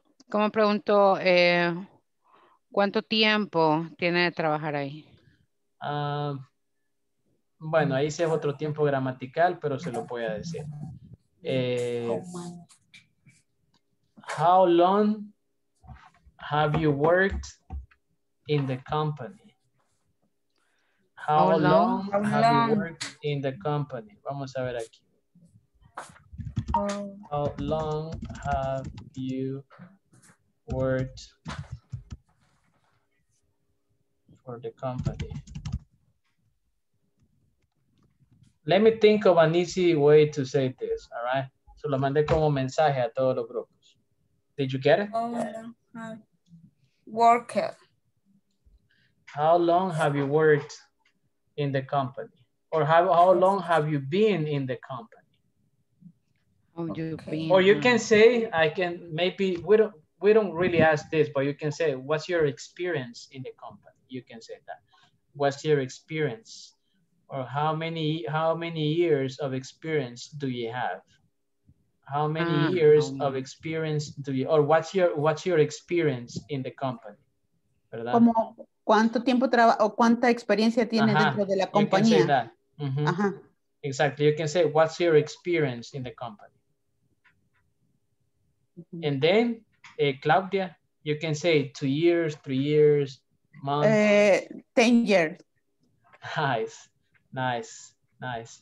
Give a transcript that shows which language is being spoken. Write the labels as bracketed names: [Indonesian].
[Spanish] ¿Cómo pregunto cuánto tiempo tiene de trabajar ahí? Bueno, ahí sí es otro tiempo gramatical, pero se lo voy a decir. [English] How long have you worked in the company? How long have you worked in the company? [Spanish] Vamos a ver aquí. [English] How long have you worked for the company? Let me think of an easy way to say this, all right? [Spanish] So, lo mandé como mensaje a todos los grupos. [English] Did you get it? How long have you worked in the company? Or how long have you been in the company? Okay. Or you can say, we don't really ask this, but you can say, what's your experience in the company? You can say that. What's your experience? Or how many years of experience do you have? How many years of experience do you, or what's your experience in the company? [Spanish] ¿Verdad? Como cuánto tiempo trabaja o cuánta experiencia tiene dentro de la compañía. [English] You can say that. Mm-hmm. Uh-huh. Exactly. You can say, what's your experience in the company? And then, Claudia, you can say 2 years, 3 years, months. 10 years. Nice.